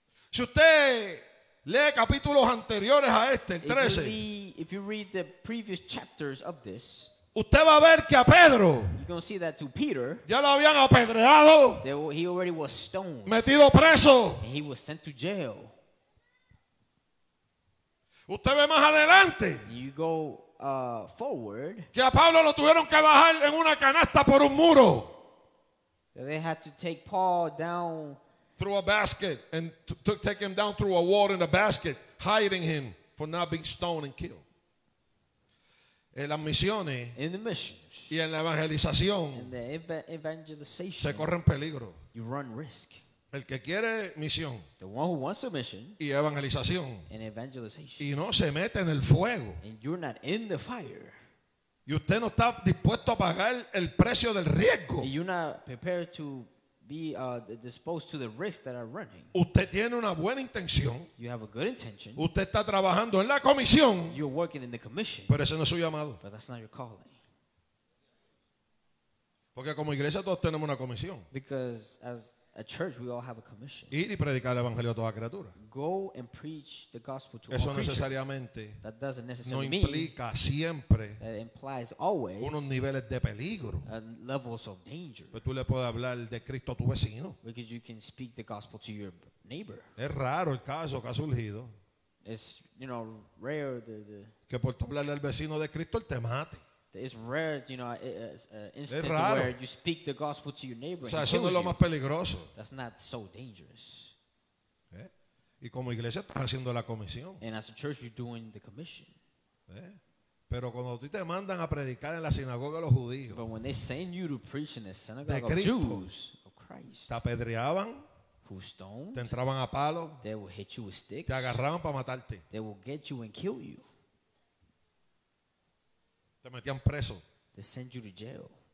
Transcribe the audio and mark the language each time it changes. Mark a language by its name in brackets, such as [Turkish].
[Spanish] Si usted lee capítulos anteriores a este, el 13, [English] if you read the previous chapters of this, [Spanish] usted va a ver que a Pedro, [English] you're gonna see that to Peter, [Spanish] ya lo habían apedreado, [English] he already was stoned, [Spanish] metido preso, [English] and he was sent to jail. [Spanish] Usted ve más adelante, [English] you go forward, [Spanish] que a Pablo lo tuvieron que bajar en una canasta por un muro. [English] They had to take Paul down through a basket and take him down through a wall in a basket, hiding him for not being stoned and killed. [Spanish] En las misiones, [English] in the missions, [Spanish] y en la evangelización, [English] in the evangelization, [Spanish] se corren peligro. [English] You run risk. [Spanish] El que quiere misión, [English] the one who wants a mission, [Spanish] y evangelización, [English] and evangelization, [Spanish] y no se mete en el fuego, [English] and you're not in the fire, [Spanish] y usted no está dispuesto a pagar el precio del riesgo, [English] and you're not prepared to be disposed to the risk that are running. [Spanish] Usted tiene una buena intención. [English] You have a good intention. [Spanish] Usted está trabajando en la comisión. [English] You're working in the commission. [Spanish] Pero ese no es su llamado. [English] But that's not your calling. [Spanish] Porque como iglesia todos tenemos una comisión. [English] Because as a church we all have a commission. [Spanish] Ir y predicar el evangelio a toda criatura. [English] Go and preach the gospel to all creatures. [Spanish] Eso necesariamente. [English] That doesn't necessarily mean. [Spanish] No implica siempre. [English] That implies always. [Spanish] Unos niveles de peligro. [English] Levels of danger. [Spanish] Pero tú le puedes hablar de Cristo a tu vecino. [English] Because you can speak the gospel to your neighbor. [Spanish] Es raro el caso que ha surgido. [English] It's, you know, rare the [Spanish] que por tú hablarle al vecino de Cristo él te mate. [English] It's rare, you know, instance where you speak the gospel to your neighbor. [Spanish] O sea, eso no es lo más peligroso. [English] That's not so dangerous. [Spanish] ¿Eh? Y como iglesia estás haciendo la comisión. [English] And as a church, you're doing the commission. [Spanish] Pero cuando te mandan a predicar en la sinagoga de los judíos, [English] but when they send you to preach in the synagogue of Cristo, Jews, of Christ, [Spanish] te apedreaban, [English] who stoned, [Spanish] te entraban a palo, [English] they will hit you with sticks, [Spanish] te agarraban para matarte, [English] they will get you and kill you, [Spanish] te metían preso, [English] they send you to jail.